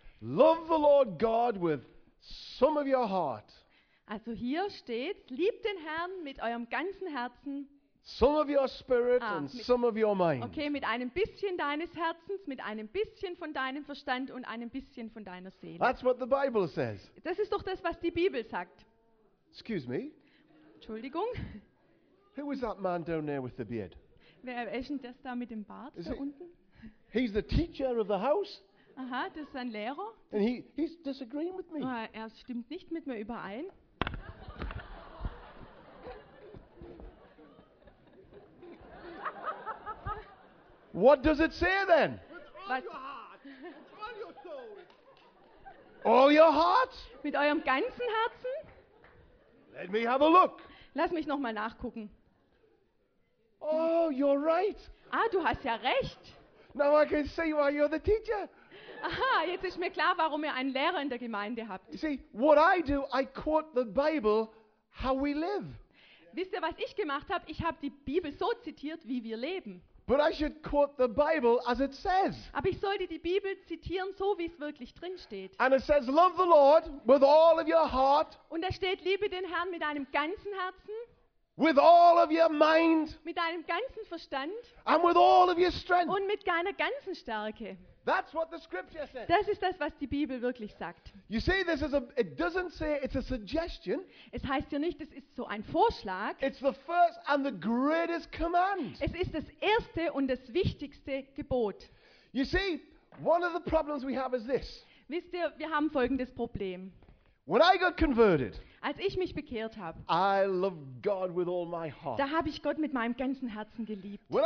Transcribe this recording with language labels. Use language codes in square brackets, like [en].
[en] Love the Lord God with some of your heart. [de] Also hier steht: Liebt den Herrn mit eurem ganzen Herzen. [en] Some of your spirit and some of your mind. [de] Okay, mit einem bisschen deines Herzens, mit einem bisschen von deinem Verstand und einem bisschen von deiner Seele. [en] That's what the Bible says. [de] Das ist doch das, was die Bibel sagt. [en] Excuse me. [de] Entschuldigung. [en] Who is that man down there with the beard? [de] Wer ist denn das da mit dem Bart da unten? [en] He's the teacher of the house. [de] Aha, das ist ein Lehrer. [en] And he's disagreeing with me. [de] Oh, er stimmt nicht mit mir überein. [en] What does it say then? With all your heart. With all your soul. All your heart? [de] Mit eurem ganzen Herzen? [en] Let me have a look. [de] Lass mich noch mal nachgucken. [en] Oh, you're right. [de] Ah, du hast ja recht. [en] Now I can see why you're the teacher. [de] Aha, jetzt ist mir klar, warum ihr einen Lehrer in der Gemeinde habt. [en] You see, what I do, I quote the Bible how we live. [de] Wisst ihr, was ich gemacht habe? Ich habe die Bibel so zitiert, wie wir leben. [en] But I should quote the Bible as it says. [de] Aber ich sollte die Bibel zitieren, so wie es wirklich drin steht. [en] And it says, love the Lord with all of your heart. [de] Und da steht, liebe den Herrn mit deinem ganzen Herzen. [en] With all of your mind. [de] Mit deinem ganzen Verstand. [en] And with all of your strength. [de] Und mit deiner ganzen Stärke. [en] That's what the scripture says. [de] Das ist das, was die Bibel wirklich sagt. [en] You see, this is a, it doesn't say it's a suggestion. [de] Es heißt ja nicht, es ist so ein Vorschlag. [en] It's the first and the greatest command. [de] Es ist das erste und das wichtigste Gebot. [en] You see, one of the problems we have is this. [de] Wisst ihr, wir haben folgendes Problem. [en] When I got converted, [de] als ich mich bekehrt habe, da habe ich Gott mit meinem ganzen Herzen geliebt.